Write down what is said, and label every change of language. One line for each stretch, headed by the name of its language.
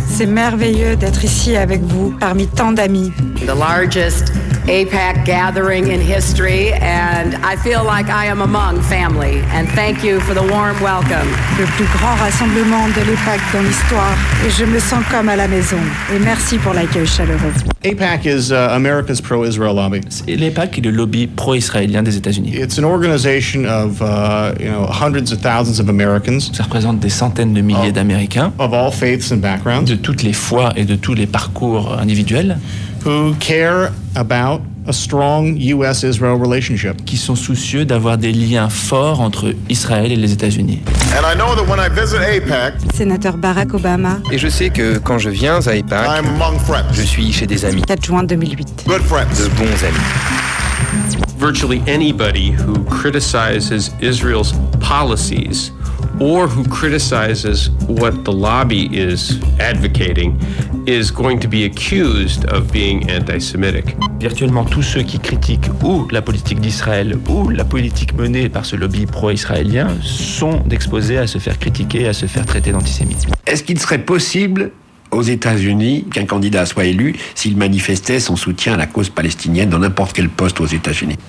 French: C'est merveilleux d'être ici avec vous parmi tant d'amis.
English: The largest APAC gathering in history, and I feel like I am among family. And thank you for the warm welcome.
French: Le plus grand rassemblement de l'APAC dans l'histoire, et je me sens comme à la maison. Et merci pour l'accueil chaleureux.
English: APAC is America's pro-Israel lobby.
French: L'APAC est le lobby pro-israélien des États-Unis.
English: It's an organization of hundreds of thousands of Americans.
French: Ça représente des centaines de milliers d'Américains.
English: Of all faiths and backgrounds.
French: De toutes les fois et de tous les parcours individuels.
English: Who care about a strong U.S.-Israel relationship.
French: Qui sont soucieux d'avoir des liens forts entre Israël et les États-Unis.
English: And I know that when I visit APAC,
French: sénateur Barack Obama. Et je sais que quand je viens à APAC,
English: I'm among friends.
French: Je suis chez des amis. 4 juin 2008.
English: Good friends.
French: De bons amis.
English: Virtually anybody who criticizes Israel's policies or who criticizes what the lobby is advocating is going to be accused of being anti-Semitic.
French: Virtuellement tous ceux qui critiquent ou la politique d'Israël ou la politique menée par ce lobby pro-israélien sont exposés à se faire critiquer, à se faire traiter d'antisémitisme. Est-ce qu'il serait possible aux États-Unis qu'un candidat soit élu s'il manifestait son soutien à la cause palestinienne dans n'importe quel poste aux États-Unis?